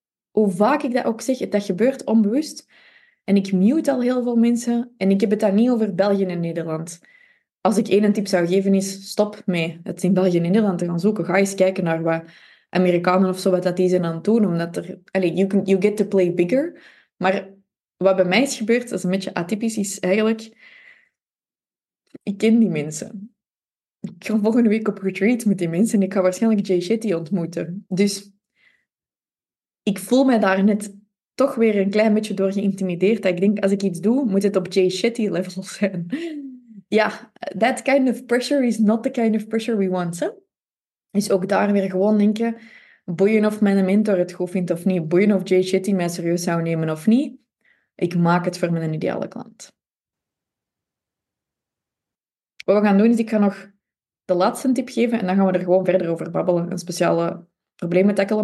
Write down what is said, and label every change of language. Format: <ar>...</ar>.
<nl>Hoe vaak ik dat ook zeg, dat gebeurt onbewust. En ik mute al heel veel mensen en ik heb het daar niet over België en Nederland. Als ik één tip zou geven is, stop mee het in België en Nederland te gaan zoeken. Ga eens kijken naar wat Amerikanen of zo, wat dat die zijn aan het doen. Omdat er,</nl> <en>you get to play bigger.</en> <nl>Maar wat bij mij is gebeurd, dat is een beetje atypisch, is eigenlijk, ik ken die mensen. Ik ga volgende week op retreat met die mensen en ik ga waarschijnlijk Jay Shetty ontmoeten. Dus ik voel me daar net toch weer een klein beetje door geïntimideerd. Ik denk, als ik iets doe, moet het op Jay Shetty level zijn.</nl> <en>Ja, that kind of pressure is not the kind of pressure we want.</en> <nl>Hè? Dus ook daar weer gewoon denken, boeien of mijn mentor het goed vindt of niet. Boeien of Jay Shetty mij serieus zou nemen of niet. Ik maak het voor mijn ideale klant. Wat we gaan doen is, ik ga nog de laatste tip geven en dan gaan we er gewoon verder over babbelen en speciale problemen tackelen.</nl>